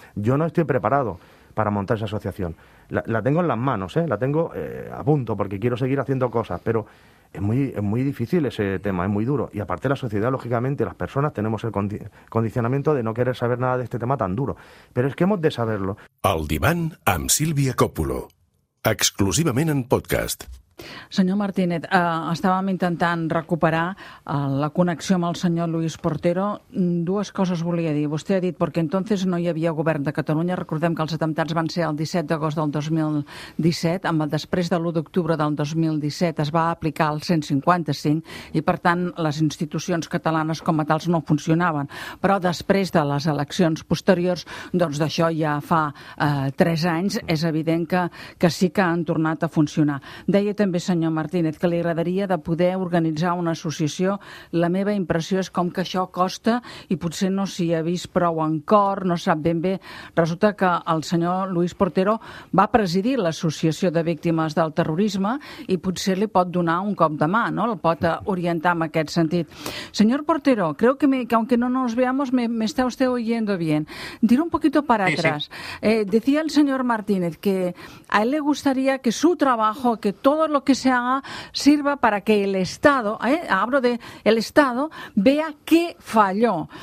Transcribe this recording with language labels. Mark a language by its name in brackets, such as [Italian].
[Spanish] Yo no estoy preparado para montar esa asociación. La tengo en las manos, ¿eh? La tengo a punto, porque quiero seguir haciendo cosas, pero es muy difícil ese tema, es muy duro. Y aparte la sociedad, lógicamente, las personas tenemos el condicionamiento de no querer saber nada de este tema tan duro. Pero es que hemos de saberlo. [Catalan] El divan amb Sílvia Còpulo. Exclusivament en podcast. Senyor Martínez, estàvem intentant recuperar la connexió amb el senyor Luis Portero. Dues coses volia dir. Vostè ha dit perquè entonces no hi havia govern de Catalunya. Recordem que els atemptats van ser el 17 d'agost del 2017. Després de l'1 d'octubre del 2017 es va aplicar el 155 i, per tant, les institucions catalanes com a tals no funcionaven. Però després de les eleccions posteriors, doncs d'això ja fa 3 anys, és evident que sí que han tornat a funcionar. Deia també, senyor Martínez, que li agradaria de poder organitzar una associació. La meva impressió és com que això costa i potser no s'hi ha vist prou en cor, no sap ben bé. Resulta que el senyor Luis Portero va presidir l'Associació de Víctimes del Terrorisme i potser li pot donar un cop de mà, no? El pot orientar en aquest sentit. [Spanish] Senyor Portero, creo que, aunque no nos veamos, me está usted oyendo bien. Dir un poquito para atrás. Decía el señor Martínez que a él le gustaría que su trabajo, que todos lo que se haga sirva para que el Estado, hablo de el Estado, vea qué falló.